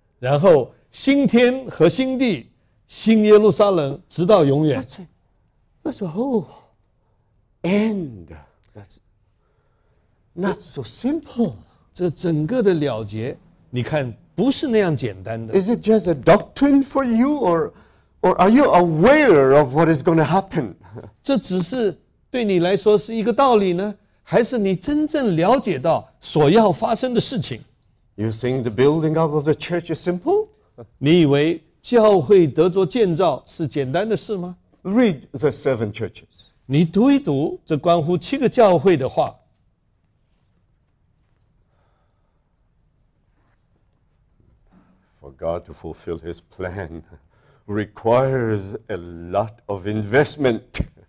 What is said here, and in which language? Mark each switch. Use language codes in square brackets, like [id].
[zh] 然后新天和新地，新耶路撒冷直到永远。 [en] That's a whole end. That's not so simple. [zh] 这整个的了结，你看不是那样简单的。 [en] Is it just a doctrine for you, or are you aware of what is going to happen? [zh] 这只是对你来说是一个道理呢？还是你真正了解到所要发生的事情 [en] ？You think the building up of the church is simple? [zh] 你以为教会得着建造是简单的事吗 [en] ？Read the seven churches. [zh] 你读一读这关乎七个教会的话。 [en] For God to fulfill His plan requires a lot of investment.